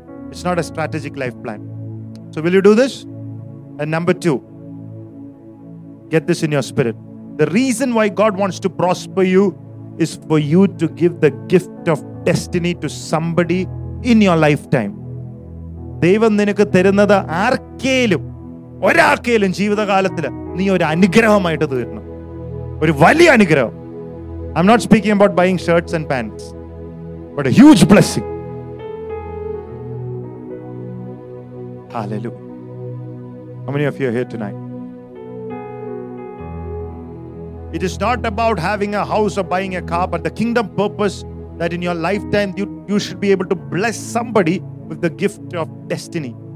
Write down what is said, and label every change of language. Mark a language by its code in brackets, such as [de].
[en] It's not a strategic life plan. So will you do this? And number two, get this in your spirit. The reason why God wants to prosper you is for you to give the gift of destiny to somebody in your lifetime. [ml] ദൈവം നിനക്ക് തരുന്നത് ആർക്കേലും ഒരാൾക്കേലും ജീവിതകാലത്തിൽ നീ ഒരു അനുഗ്രഹമായിട്ട് തീരണം, ഒരു വലിയ അനുഗ്രഹം. [en] I'm not speaking about buying shirts and pants, but a huge blessing. Hallelujah. How many of you are here tonight? It is not about having a house or buying a car, but the kingdom purpose that in your lifetime you should be able to bless somebody with the gift of destiny.